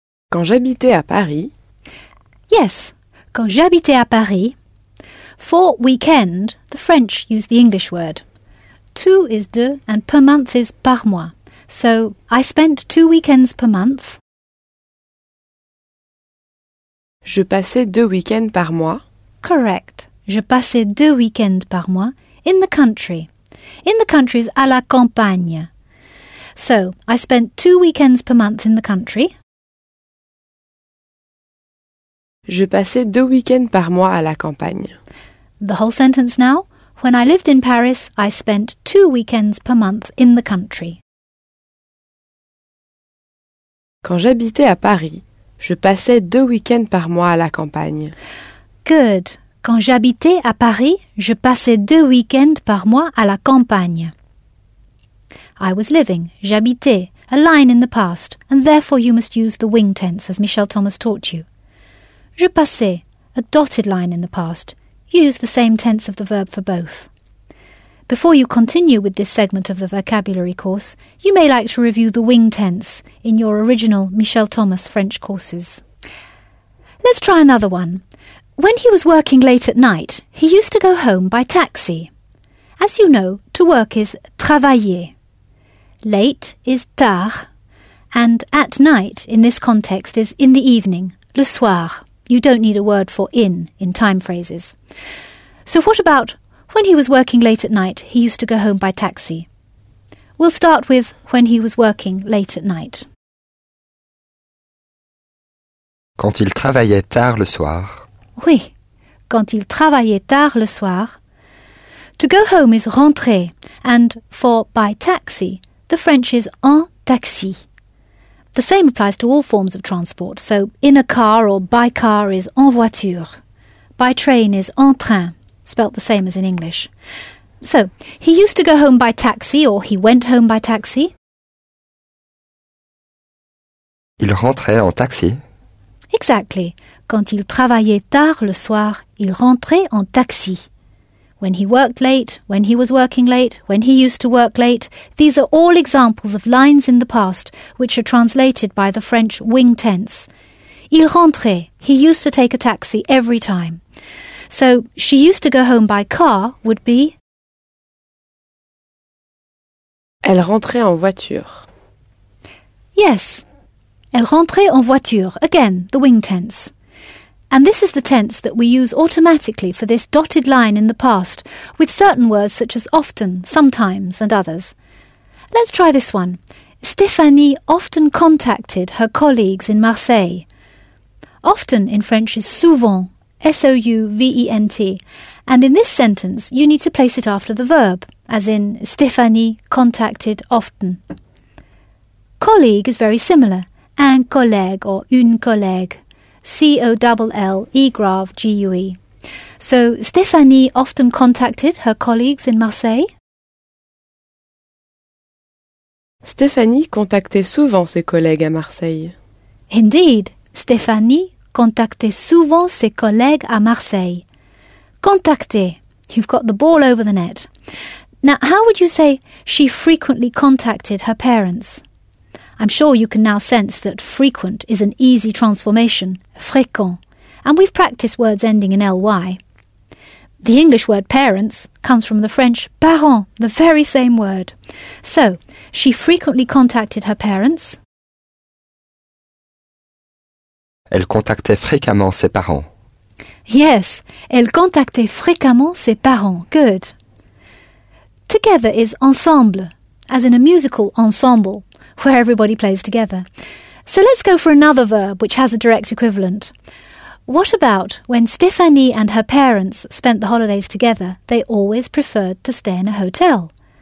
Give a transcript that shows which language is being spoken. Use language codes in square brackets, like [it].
[fr] Quand j'habitais à Paris... [en] Yes, [fr] quand j'habitais à Paris... [en] For weekend, the French use the English word. 2 is 2 and per month is par mois. So, I spent 2 weekends per month. [fr] Je passais 2 weekends par mois. [en] Correct. [fr] Je passais 2 weekends par mois [en] in the country. In the country is à la campagne. So, I spent 2 weekends per month in the country. [fr] Je passais 2 weekends par mois à la campagne. [en] The whole sentence now. When I lived in Paris, I spent 2 weekends per month in the country. [fr] Quand j'habitais à Paris, je passais 2 weekends par mois à la campagne. [en] Good. [fr] Quand j'habitais à Paris, je passais 2 weekends par mois à la campagne. [en] I was living, j'habitais, a line in the past, and therefore you must use the wing tense as Michel Thomas taught you. [fr] Je passais, [en] a dotted line in the past. You use the same tense of the verb for both. Before you continue with this segment of the vocabulary course, you may like to review the wing tense in your original Michel Thomas French courses. Let's try another one. When he was working late at night, he used to go home by taxi. As you know, to work is travailler. Late is tard, and at night in this context is in the evening, le soir. You don't need a word for in time phrases. So what about when he was working late at night, he used to go home by taxi? We'll start with when he was working late at night. [fr] Quand il travaillait tard le soir. Oui, quand il travaillait tard le soir. [en] To go home is rentrer, and for by taxi, the French is en taxi. The same applies to all forms of transport, so in a car or by car is en voiture. By train is en train, spelt the same as in English. So, he used to go home by taxi or he went home by taxi. [fr] Il rentrait en taxi. [en] Exactly. [fr] Quand il travaillait tard le soir, il rentrait en taxi. [en] When he worked late, when he was working late, when he used to work late, these are all examples of lines in the past which are translated by the French wing tense. [fr] Il rentrait, [en] he used to take a taxi every time. So, she used to go home by car would be... [fr] Elle rentrait en voiture. Yes, elle rentrait en voiture, again, the wing tense. [en] And this is the tense that we use automatically for this dotted line in the past, with certain words such as often, sometimes, and others. Let's try this one. Stéphanie often contacted her colleagues in Marseille. Often in French is souvent, S-O-U-V-E-N-T. And in this sentence, you need to place it after the verb, as in Stéphanie contacted often. Colleague is very similar, un collègue or une collègue. C-O-L-L-E-G-R-A-V-G-U-E. So, Stéphanie often contacted her colleagues in Marseille. [fr] Stéphanie contactait souvent ses collègues à Marseille. Indeed, Stéphanie contactait souvent ses collègues à Marseille. [en] Contacter, [fr] you've got the ball over the net. [en] Now, how would you say she frequently contacted her parents? I'm sure you can now sense that frequent is an easy transformation, fréquent, and we've practiced words ending in ly. The English word parents comes from the French parents, the very same word. So, she frequently contacted her parents. [fr] Elle contactait fréquemment ses parents. Yes, elle contactait fréquemment ses parents. [en] Good. Together is ensemble, as in a musical ensemble, where everybody plays together. So let's go for another verb which has a direct equivalent. What about when Stéphanie and her parents spent the holidays together, they always preferred to stay in a hotel?